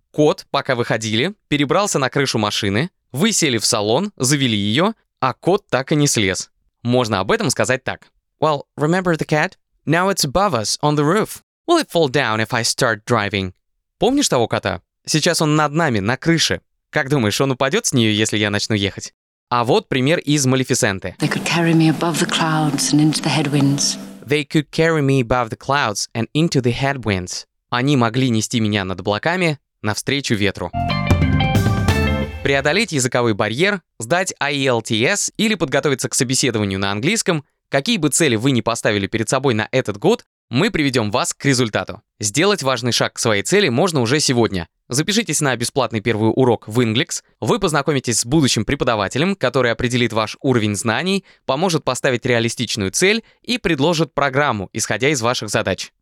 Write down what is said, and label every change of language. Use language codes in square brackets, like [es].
[ru] Кот, пока выходили, перебрался на крышу машины, вы сели в салон, завели ее, а кот так и не слез. Можно об этом сказать так. [en] Well, remember the cat? Now it's above us, on the roof. Will it fall down if I start driving? [ru] Помнишь того кота? Сейчас он над нами, на крыше. Как думаешь, он упадет с нее, если я начну ехать? А вот пример из Малефисенты. [en] They could carry me above the clouds and into the headwinds. They could carry me above the clouds and into the headwinds. [ru] Они могли нести меня над облаками навстречу ветру. Преодолеть языковой барьер, сдать IELTS или подготовиться к собеседованию на английском, какие бы цели вы ни поставили перед собой на этот год, мы приведем вас к результату. Сделать важный шаг к своей цели можно уже сегодня. Запишитесь на бесплатный первый урок в Inglix, вы познакомитесь с будущим преподавателем, который определит ваш уровень знаний, поможет поставить реалистичную цель и предложит программу, исходя из ваших задач.